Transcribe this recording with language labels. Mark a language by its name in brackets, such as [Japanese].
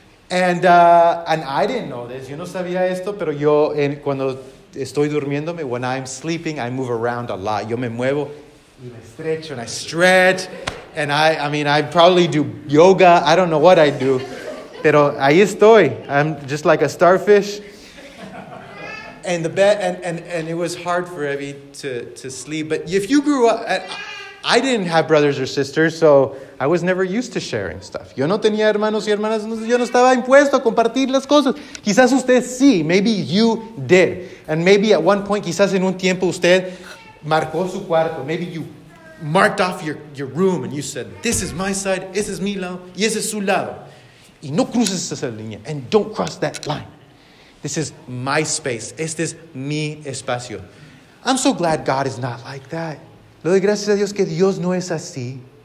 [English] And I didn't know this, [Spanish] yo no sabía esto, pero yo cuando estoy durmiéndome, [English] when I'm sleeping, I move around a lot, [Spanish] yo me muevo, y me estrecho, [English] and I stretch, and I mean, I probably do yoga, I don't know what I do. [Spanish] Pero ahí estoy. [English] I'm just like a starfish. And the bed, and it was hard for Evie to sleep. But if you grew up, I didn't have brothers or sisters, so I was never used to sharing stuff. [Spanish] Yo no tenía hermanos y hermanas, yo no estaba impuesto a compartir las cosas. Quizás usted sí, [English] maybe you did. And maybe at one point, [Spanish] quizás en un tiempo usted marcó su cuarto, [English] maybe you marked off your room and you said, this is my side, [Spanish] ese es mi lado, y ese es su lado. Y no cruces esa línea, [English] and don't cross that line. This is my space, [Spanish] este es mi espacio. [English] I'm so glad God is not like that. [Spanish] Le doy gracias a Dios que Dios no es así.